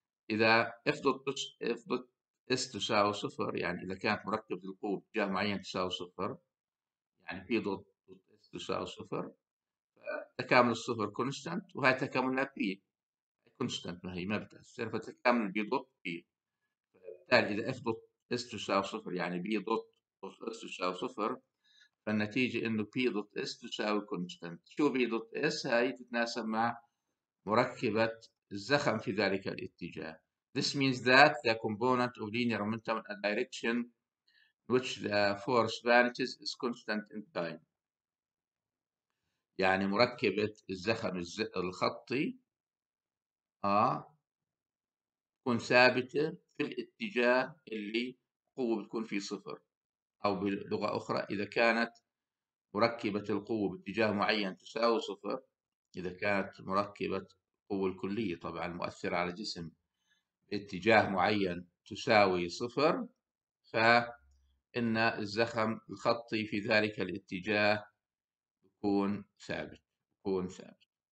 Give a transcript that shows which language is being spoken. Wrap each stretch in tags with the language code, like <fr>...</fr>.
<ar>إذا اف دوت اس، اف دوت اس تساوي صفر، يعني إذا كانت مركبة القوة باتجاه معين تساوي صفر، يعني بي دوت تساوي صفر، فتكامل الصفر كونستانت، وهي تكاملها بي كونستانت، ما هي ما بتأثر، فتكامل بي دوت بي. فبالتالي إذا اف دوت اس تساوي صفر، يعني بي دوت اس تساوي صفر، فالنتيجة إنه بي دوت اس تساوي كونستانت. شو بي دوت اس؟ هاي تتناسب مع مركبة الزخم في ذلك الاتجاه.</ar> <en>This means that the component of linear momentum in a direction which the force vanishes is constant in time.</en> <ar>يعني مركبة الزخم الخطي تكون ثابتة في الاتجاه اللي القوة بتكون فيه صفر، أو بلغة أخرى إذا كانت مركبة القوة باتجاه معين تساوي صفر، إذا كانت مركبة القوة الكلية طبعا المؤثرة على الجسم باتجاه معين تساوي صفر، فإن الزخم الخطي في ذلك الاتجاه يكون ثابت، يكون ثابت.</ar>